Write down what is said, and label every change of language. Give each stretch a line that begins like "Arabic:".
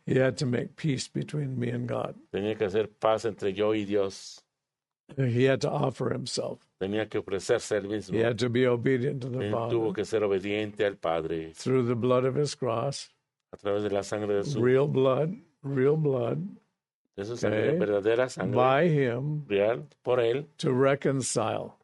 English: He had to make peace between me and God.
Spanish: Tenía que hacer paz entre yo y Dios.
English: He had to offer himself.
Spanish: Tenía que ofrecerse él mismo.
English: He had to be obedient to the Father.
Spanish: Tuvo que ser obediente al Padre.
English: Through the blood of his cross.
Spanish: A través de la sangre de su.
English: Real blood. Real blood.
Spanish: Eso es okay. Verdadera sangre.
English: By him, real,
Spanish: por él.
English: To reconcile.